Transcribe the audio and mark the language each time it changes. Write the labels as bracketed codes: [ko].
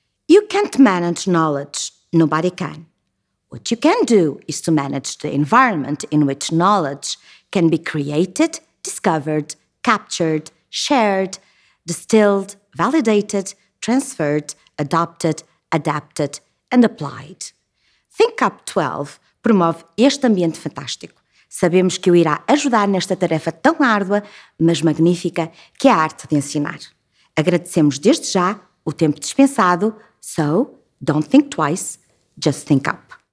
[en] You can't manage knowledge, nobody can. What you can do is to manage the environment in which knowledge can be created, discovered, captured, shared, distilled, validated, transferred, adopted, adapted and applied. [pt] ThinkUp 12 promove este ambiente fantástico. Sabemos que o irá ajudar nesta tarefa tão árdua, mas magnífica, que é a arte de ensinar. Agradecemos desde já o tempo dispensado. [en] So, don't think twice, just think up.